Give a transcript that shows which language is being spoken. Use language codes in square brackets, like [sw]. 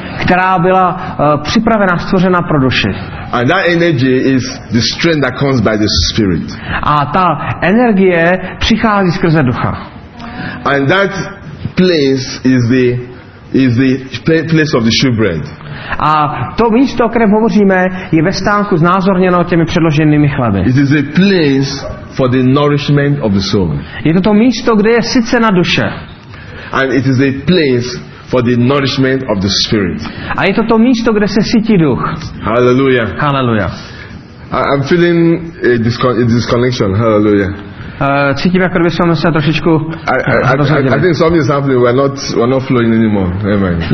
[cs] Která byla připravena, stvořena pro duši. [en] And that energy is the strength that comes by the spirit. [cs] A ta energie přichází skrze ducha. [en] And that place is the place of the shewbread. [cs] A to místo, o kterém hovoříme, je ve stánku znázorněno těmi předloženými chleby. [en] It is a place for the nourishment of the soul. [cs] Je to místo, kde je sycena duše. [en] And it is a place for the nourishment of the spirit. [cs] A je to místo, kde se sytí duch. [en] Hallelujah. Hallelujah. I'm feeling a disconnection. Hallelujah. [cs] Cítím, jako kdyby jsme se trošičku rozhodili. [en] I think something is happening. We're not flowing anymore. Amen.